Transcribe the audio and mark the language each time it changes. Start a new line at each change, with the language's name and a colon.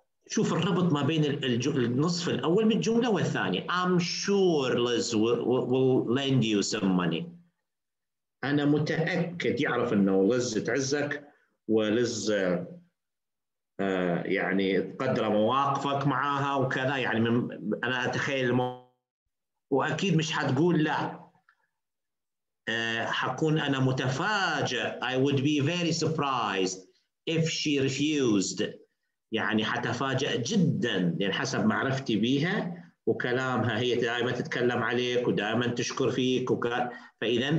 Arabic: شوف الربط ما بين النصف الأول من الجملة والثاني.
English: I'm sure Liz will lend you some money.
Arabic: أنا متأكد يعرف أنه لز تعزك ولز يعني تقدر مواقفك معها وكذا يعني من أنا أتخيل وأكيد مش هتقول لا حكون أنا متفاجئ
English: I would be very surprised if she refused
Arabic: يعني حتفاجئ جدا لأن حسب معرفتي بيها وكلامها هي دائما تتكلم عليك ودائما تشكر فيك فإذا